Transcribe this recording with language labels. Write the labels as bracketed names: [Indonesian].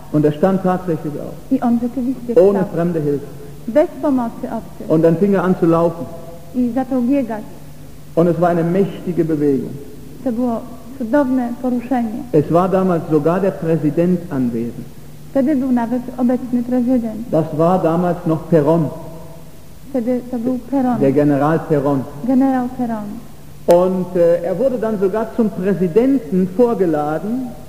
[German] Und stand tatsächlich auf. [Polish] I on rzeczywiście wstał. [German] Ohne fremde Hilfe. [Polish] Bez pomocy obcych. [German] Und dann fing an zu laufen. [Polish] I zaczął biegać. [German] Und es war eine mächtige Bewegung. [Polish] To było cudowne poruszenie. [German] Es war damals sogar der Präsident anwesend. [Polish] Wtedy był nawet obecny prezydent. [German] Das war damals noch Peron. [Polish] Wtedy to był Peron. [German] Der General Peron. General Peron. Und wurde dann sogar zum Präsidenten vorgeladen.